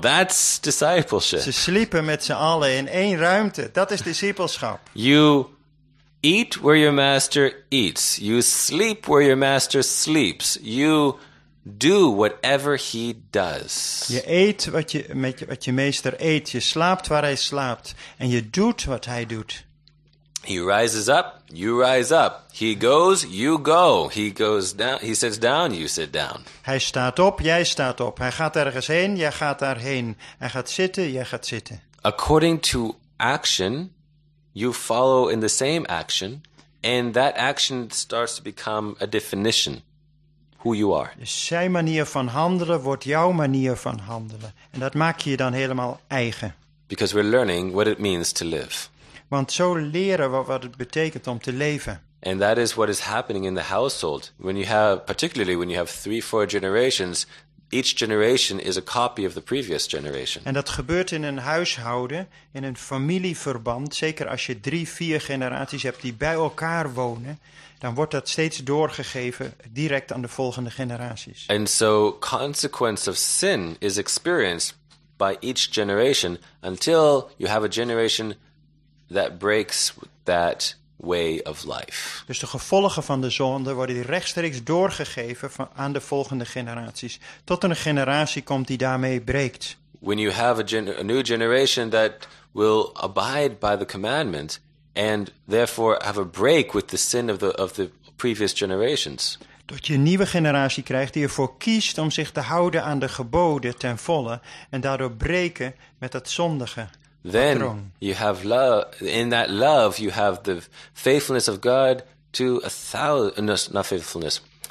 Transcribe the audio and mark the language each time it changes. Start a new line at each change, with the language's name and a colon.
English: That's discipleship.
Dutch: Ze sliepen met z'n allen in één ruimte. Dat is discipelschap.
English: You eat where your master eats. You sleep where your master sleeps. You do whatever he does.
Dutch: Je eet wat je meester eet. Je slaapt waar hij slaapt. En je doet wat hij doet.
English: He rises up, you rise up. He goes, you go. He goes down, he sits down, you sit down.
Dutch: Hij staat op, jij staat op. Hij gaat ergens heen, jij gaat daarheen. Hij gaat zitten, jij gaat zitten.
English: According to action, you follow in the same action, and that action starts to become a definition, who you are.
Dutch: Dus zijn manier van handelen wordt jouw manier van handelen. En dat maak je dan helemaal eigen.
English: Because we're learning what it means to live.
Dutch: Want zo leren we wat het betekent om te leven.
English: And that is what is happening in the household. When you have, particularly when you have 3-4 generations, each generation is a copy of the previous generation.
Dutch: En dat gebeurt in een huishouden, in een familieverband, zeker als je 3-4 generaties hebt die bij elkaar wonen, dan wordt dat steeds doorgegeven direct aan de volgende generaties.
English: And so consequence of sin is experienced by each generation until you have a generation that breaks that way of life.
Dutch: Dus de gevolgen van de zonde worden rechtstreeks doorgegeven van aan de volgende generaties, tot een generatie komt die daarmee breekt.
English: When you have a new generation that will abide by the commandment and therefore have a break with the sin of the previous generations.
Dutch: Tot je een nieuwe generatie krijgt die ervoor kiest om zich te houden aan de geboden ten volle en daardoor breken met dat zondige.
English: Then you have love. In that love, you have the faithfulness of God to a thousand. Not faithfulness.